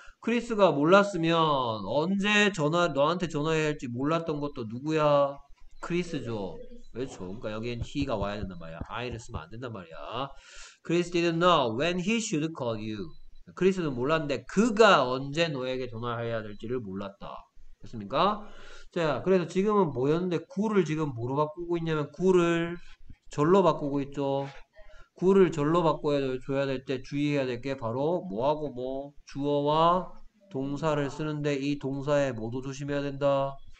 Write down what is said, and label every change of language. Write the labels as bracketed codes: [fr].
[ko] 크리스가 몰랐으면 언제 너한테 전화해야 할지 몰랐던 것도 누구야? 크리스죠. 그렇죠. 그러니까 여기엔 he가 와야 된단 말이야. I를 쓰면 안 된단 말이야. [en] Chris didn't know when he should call you. [ko] 크리스는 몰랐는데 그가 언제 너에게 전화해야 될지를 몰랐다. 됐습니까? 자, 그래서 지금은 뭐였는데 구를 지금 뭐로 바꾸고 있냐면 구를 절로 바꾸고 있죠. 구를 절로 바꿔야 줘야 될때 주의해야 될게 바로 뭐하고 뭐 주어와 동사를 쓰는데 이 동사에 뭐도 조심해야 된다?